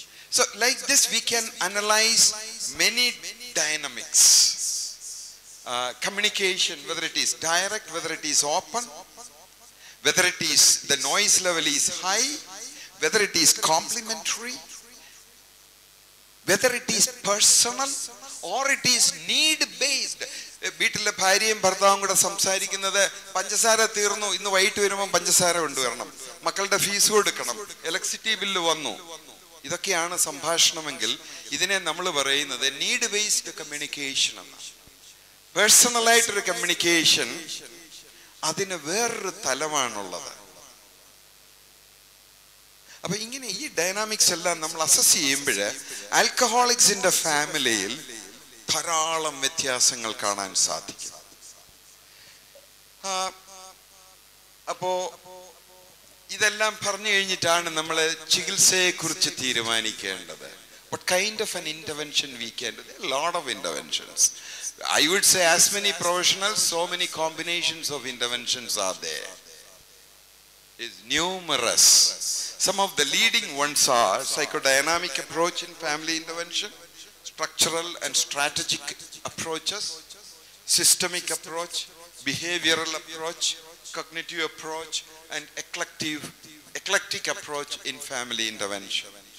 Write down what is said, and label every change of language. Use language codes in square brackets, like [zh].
[en] So like this, we can analyze many dynamics. Communication, whether it is direct, whether it is open, whether it is the noise level is high, whether it is complimentary, whether it is personal, or it is need-based. [ml] വീട്ടിലെ ഭാര്യയും ഭർത്താവും കൂടെ സംസാരിക്കുന്നത് പഞ്ചസാര തീർന്നു, ഇന്ന് വൈകിട്ട് വരുമ്പോൾ പഞ്ചസാര കൊണ്ടുവരണം, മക്കളുടെ ഫീസ് കൊടുക്കണം, ഇലക്ട്രിസിറ്റി ബില്ല് വന്നു, ഇതൊക്കെയാണ് സംഭാഷണമെങ്കിൽ ഇതിനെ നമ്മൾ പറയുന്നത് നീഡ് ബേസ്ഡ് കമ്മ്യൂണിക്കേഷൻ എന്നാണ്. പേഴ്സണലായിട്ടൊരു കമ്മ്യൂണിക്കേഷൻ, അതിന് വേറൊരു തലമാണുള്ളത്. അപ്പൊ ഇങ്ങനെ ഈ ഡൈനാമിക്സ് എല്ലാം നമ്മൾ അസസ് ചെയ്യുമ്പോൾ ആൽക്കഹോളിക്സിന്റെ ഫാമിലിയിൽ ധാരാളം വ്യത്യാസങ്ങൾ കാണാൻ സാധിക്കും. അപ്പോ ഇതെല്ലാം പറഞ്ഞു കഴിഞ്ഞിട്ടാണ് നമ്മൾ ചികിത്സയെ കുറിച്ച് തീരുമാനിക്കേണ്ടത്. [en] What kind of an intervention we can do? Lot of interventions. I would say as many professionals, so many combinations of interventions are there, is numerous. Some of the leading ones are psychodynamic approach in family intervention, structural and strategic approaches, systemic approach, behavioral approach, cognitive approach, and eclectic approach in family intervention.